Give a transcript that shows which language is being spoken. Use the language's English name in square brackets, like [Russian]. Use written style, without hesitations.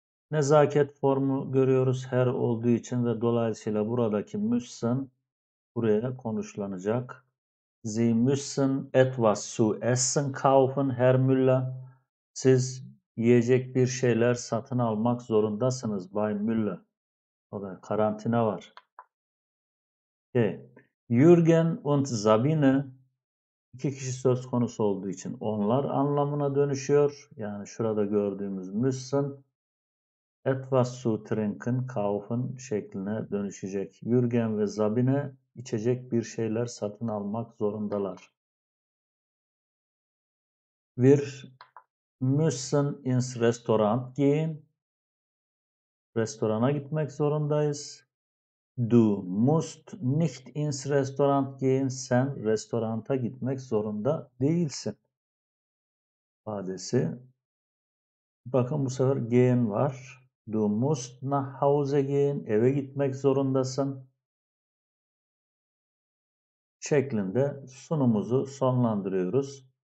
[Turkish] Nezaket formu görüyoruz her olduğu için ve dolayısıyla buradaki müssen buraya konuşlanacak. [German] Sie müssen etwas zu essen kaufen, Herr Müller. [Turkish] Siz yiyecek bir şeyler satın almak zorundasınız Bay Müller. O da karantina var. Okay. Jürgen und Sabine, iki kişi söz konusu olduğu için onlar anlamına dönüşüyor. Yani şurada gördüğümüz [German] müssen etwas zu trinken kaufen [Turkish] şekline dönüşecek. Jürgen ve Sabine içecek bir şeyler satın almak zorundalar. [German] Wir müssen ins Restaurant gehen. [Turkish] Restorana gitmek zorundayız. [German] Du musst nicht ins Restaurant gehen. [Turkish] Sen restoranta gitmek zorunda değilsin. İfadesi. Bakın bu sefer gehen var. [German] Du musst nach Hause gehen, [Turkish] eve gitmek zorundasın şeklinde sunumuzu sonlandırıyoruz.